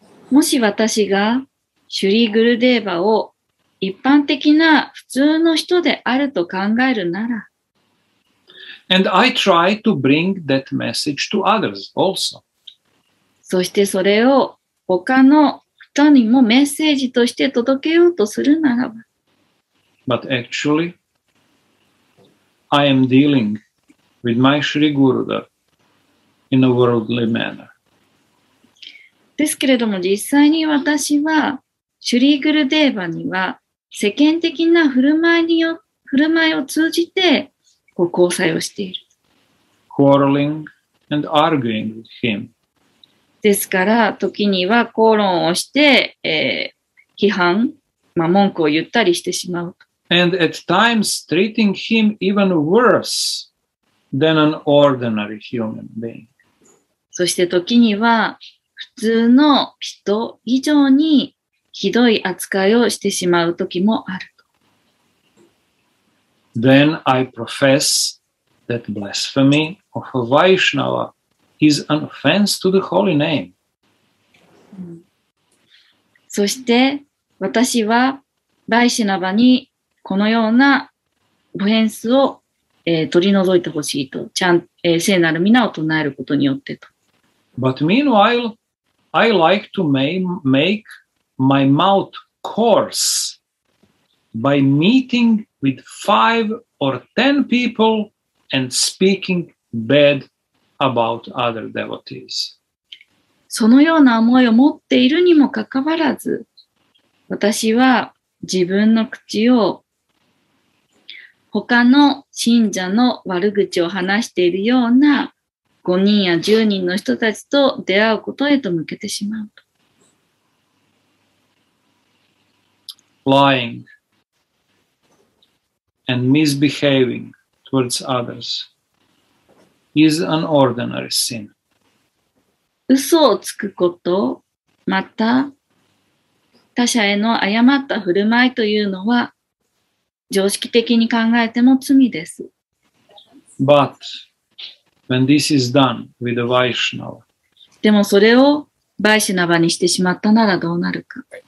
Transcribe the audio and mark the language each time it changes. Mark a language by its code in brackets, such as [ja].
[ja] もし私がシュリー・グルデーバを一般的な普通の人であると考えるなら、 [en] And I try to bring that message to others also. [ja] そしてそれを他の人にもメッセージとして届けようとするならば。 [en] But actually, I am dealing with my Sri Gurudev in a worldly manner. [ja] ですけれども、実際に私は、シュリー・グルデーバには、世間的な振る舞いを通じて、交際をしている。 [en] Quarreling and arguing with him. [ja] ですから時には口論をして、批判、まあ、文句を言ったりしてしまうと。 [en] And at times treating him even worse than an ordinary human being. [ja] そして時には普通の人以上にひどい扱いをしてしまう時もあると。 [en] Then I profess that blasphemy of a Vaishnava. Is an offense to the holy name. [ja] そして私はバイシナバにこのようなオフェンスを、取り除いてほしいと、聖なる皆を唱えることによってと。 [en] But meanwhile, I like to make my mouth coarse by meeting with 5 or 10 people and speaking badabout other devotees. [ja] そのような思いを持っているにもかかわらず、私は自分の口を他の信者の悪口を話しているような5人や10人の人たちと出会うことへと向けてしまうと。 [en] Lying and misbehaving towards others. Is an ordinary sin. [ja] 嘘をつくこと、また他者への誤った振る舞いというのは常識的に考えても罪です。 [en] But when this is done with a Vaishnava, [ja] でもそれをバイシナバにしてしまったならどうなるか。